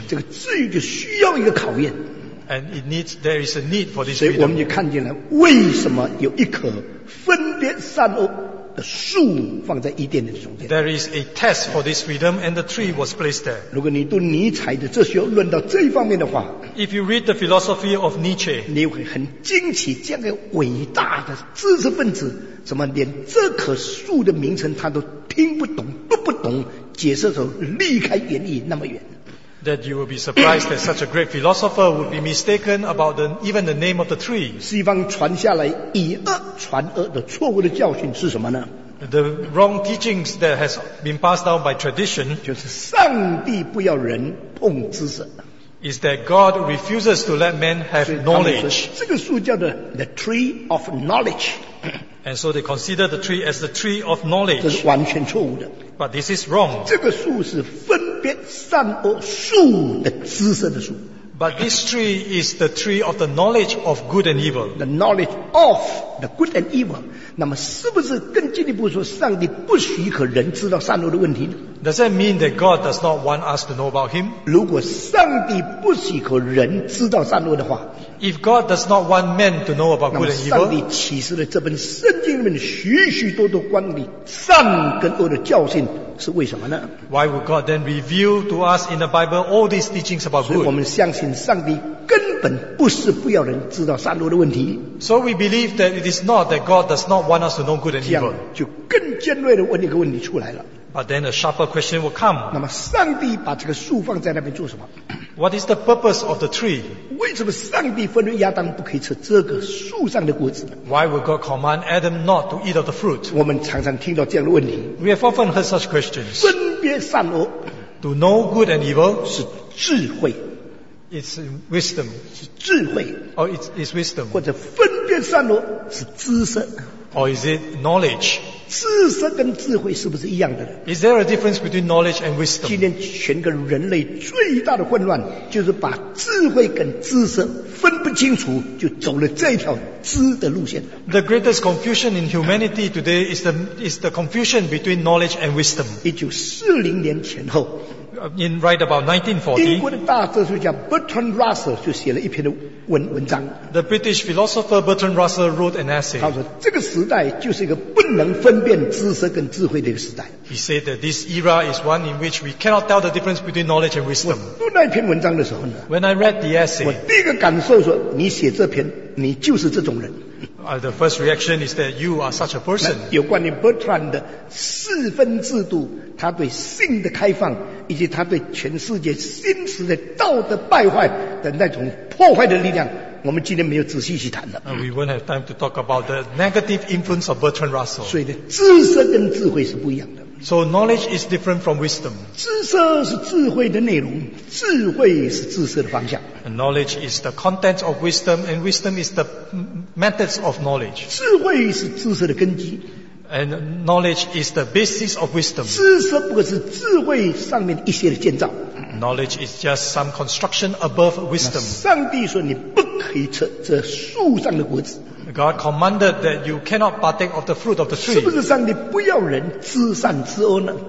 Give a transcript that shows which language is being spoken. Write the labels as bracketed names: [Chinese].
[Chinese] 这个自由就需要一个考验 [English] And it needs, there is a need for this freedom. [Chinese] 所以我们就看见了为什么有一棵分别善恶的树放在伊甸的中间。 [English] There is a test for this freedom, and the tree was placed there. [Chinese] 如果你读尼采的哲学论到这一方面的话 [English] ，If you read the philosophy of Nietzsche， [Chinese] 你会很惊奇，这样的伟大的知识分子，怎么连这棵树的名称他都听不懂、读不懂，解释的时候离开原意那么远。 [English] That you will be surprised that such a great philosopher would be mistaken about the, even the name of the tree. [Chinese] 西方传下来以讹传讹的错误的教训是什么呢 [English] ？The wrong teachings that has been passed down by tradition. [Chinese] 就是上帝不要人碰知识。 [English] Is that God refuses to let men have knowledge? [Chinese] 这个树叫做 [English] the tree of knowledge. And so they consider the tree as the tree of knowledge. [Chinese] 这是完全错误的。 [English] But this is wrong. [Chinese] 这个树是分别善恶树的知识的树。 [English] But this tree is the tree of the knowledge of good and evil. The knowledge of the good and evil. [Chinese] 那么是不是更进一步说上帝不许可人知道善恶的问题呢 [English] Does that mean that God does not want us to know about him? [Chinese] 如果上帝不许可人知道善恶的话 [English] If God does not want men to know about good and evil, [Chinese] 那么上帝启示了这本圣经里面许许多多关于善跟恶的教训是为什么呢 [English] Why would God then reveal to us in the Bible all these teachings about good? [Chinese] 所以我们相信上帝根本不是不要人知道善恶的问题。 [English] So we believe that it is not that God does not want us to know good and evil. [Chinese] 这样就更尖锐的问一个问题出来了。 [English] But then a sharper question will come. [Chinese] 那么上帝把这个树放在那边做什么 [English] ？What is the purpose of the tree? [Chinese] 为什么上帝吩咐亚当不可以吃这个树上的果子 [English] ？Why would God command Adam not to eat of the fruit? [Chinese] 我们常常听到这样的问题。 [English] We have often heard such questions. [Chinese] 分别善恶 [English] ，to know good and evil [Chinese] 是智慧。 [English] It's wisdom. [Chinese] 是智慧。 [English] Or it's wisdom. [Chinese] 或者分辨善恶是知识。 [English] Or is it knowledge? [Chinese] 知识跟智慧是不是一样的 [English] Is there a difference between knowledge and wisdom? [Chinese] 今天全个人类最大的混乱就是把智慧跟知识分不清楚就走了这条知的路线。 [English] The greatest confusion in humanity today is the confusion between knowledge and wisdom. [Chinese] 1940年前后 [English] in right about 1940, [Chinese] 英国的大哲学家 Bertrand Russell 就写了一篇文章。 [English] The British philosopher Bertrand Russell wrote an essay. [Chinese] 他说这个时代就是一个不能分辨知识跟智慧的一个时代。 [English] He said that this era is one in which we cannot tell the difference between knowledge and wisdom. [Chinese] 我读那篇文章的时候呢, [English] When I read the essay, [Chinese] 我第一个感受说你写这篇你就是这种人。 [English] The first reaction is that you are such a person. [Chinese] 有关于 Bertrand 的四分制度, 他对性的开放, 以及他对全世界新时的道德败坏的那种破坏的力量, 我们今天没有仔细去谈的。 [English] We won't have time to talk about the negative influence of Bertrand Russell. [Chinese] 所以知识跟智慧是不一样的。 [English] So knowledge is different from wisdom. [Chinese] 知识是智慧的内容, 智慧是知识的方向。 [English] And knowledge is the content of wisdom, and wisdom is the methods of knowledge. [Chinese] 智慧是知识的根基。 [English] And knowledge is the basis of wisdom. [Chinese] 知识不过是智慧上面一些的建造。 [English] Knowledge is just some construction above wisdom. [Chinese] 上帝说你不可以吃这树上的果子。 [English] God commanded that you cannot partake of the fruit of the tree. [Chinese] 是不是上帝不要人知善知恶呢?